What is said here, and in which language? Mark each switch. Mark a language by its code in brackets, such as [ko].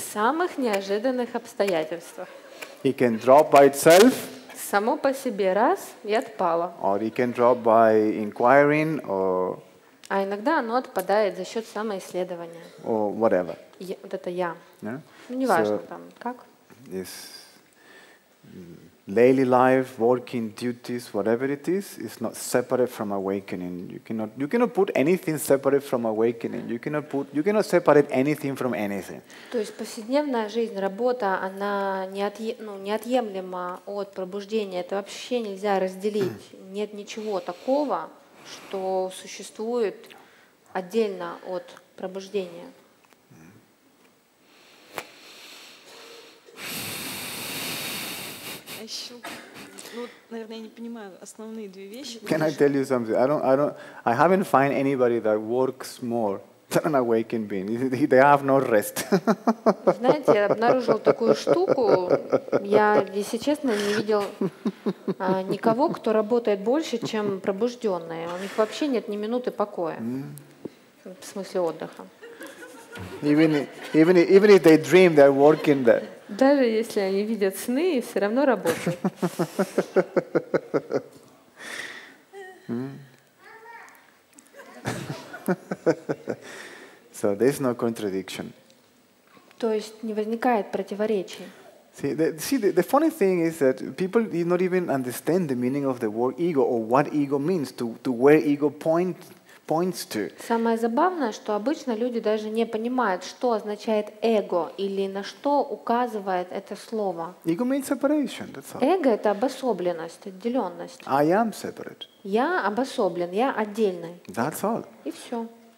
[ru] В самых неожиданных обстоятельствах. [en] It can drop by itself. [ru] Само по себе раз и отпало. [en] Or it can drop by inquiring or. [ru] А иногда оно отпадает за счет самоисследования. [en] Or whatever. [ru] Вот это я. Неважно там, как. [en] This daily life, working duties, whatever it is not separate from awakening. You cannot put anything separate from awakening. You cannot separate anything from anything. [ru] То есть повседневная жизнь, работа, она неотъемлема от пробуждения. Это вообще нельзя разделить. Нет ничего такого, что существует отдельно от пробуждения. А еще, ну, наверное, я не понимаю основные две вещи. [en] Can I tell you something? I haven't find anybody that works more than an awakened being. They have no rest. [ru] Знаете, я обнаружил такую штуку. Я, если честно, не видел никого, кто работает больше, чем пробужденные. У них вообще нет ни минуты покоя. В смысле отдыха. [en] Even if they dream, they're working there. [ru] Даже если они видят сны, все равно работают. [en] So there's no contradiction. [ru] То есть не возникает противоречий. [en] See the funny thing is that people do not even understand the meaning of the word ego or what ego means to where ego points to. [ru] Самое забавное, что обычно люди даже не понимают, что означает эго или на что указывает это слово. [en] Ego means separation, that's all. [ru] Эго — это обособленность, отделенность. [en] I am separate. [ru] Я обособлен, я отдельный. [en] That's all. [ru] И все.